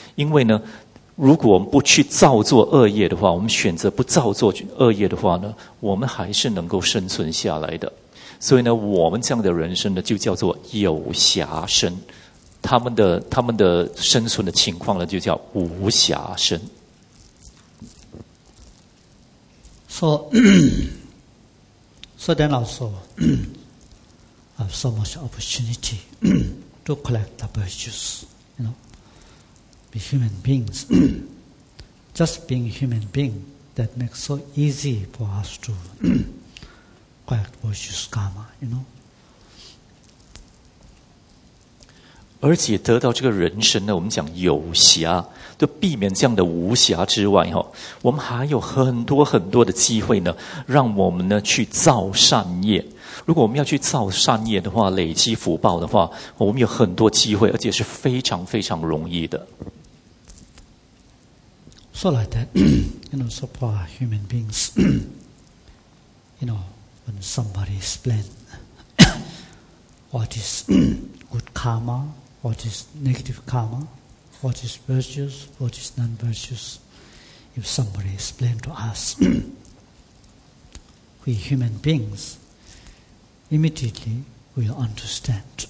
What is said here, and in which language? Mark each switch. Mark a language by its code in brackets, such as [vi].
[zh] 因为呢，如果我们不去造作恶业的话，我们选择不造作恶业的话呢，我们还是能够生存下来的。所以呢，我们这样的人身呢，就叫做有暇身。他们的生存的情况呢，就叫无暇身。 [en] So then also, have so much opportunity to collect the virtues, you know, be human beings. Just being a human being, that makes so easy for us to collect virtues karma, you know. [zh] 而且得到这个人生呢，我们讲有暇，就避免这样的无暇之外，我们还有很多很多的机会呢，让我们呢去造善业。如果我们要去造善业的话，累积福报的话，我们有很多机会，而且是非常非常容易的。 [en] So like that, you know, so for human beings, you know, when somebody explain what is good karma. What is negative karma? What is virtuous? What is non-virtuous? If somebody explained to us, we human beings, immediately we'll understand.